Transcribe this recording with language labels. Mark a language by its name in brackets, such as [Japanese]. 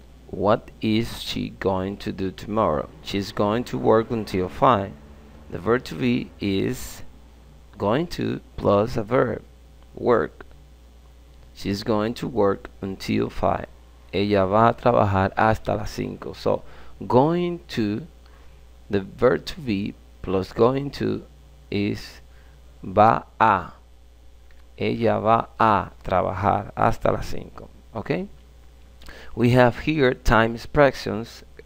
[English] What is she going to do tomorrow? She's going to work until 5. The verb to be is going to plus a verb, work. She's going to work until 5. [Spanish] Ella va a trabajar hasta las 5. [English] So, going to, the verb to be plus going to is va a. [Spanish] Ella va a trabajar hasta las 5. [English] Okay? We have here time expressions